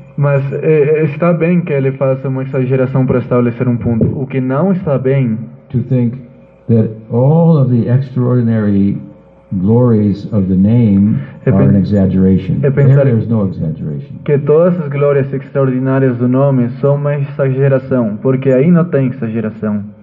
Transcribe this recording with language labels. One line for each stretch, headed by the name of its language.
Portuguese: Mas está bem que ele faça uma exageração para estabelecer um ponto. O que não está bem.
English: To think that all of the extraordinary glories of the name are an exaggeration. There is no exaggeration.
Portuguese: Que todas as glórias extraordinárias do nome são uma exageração, porque aí não tem exageração.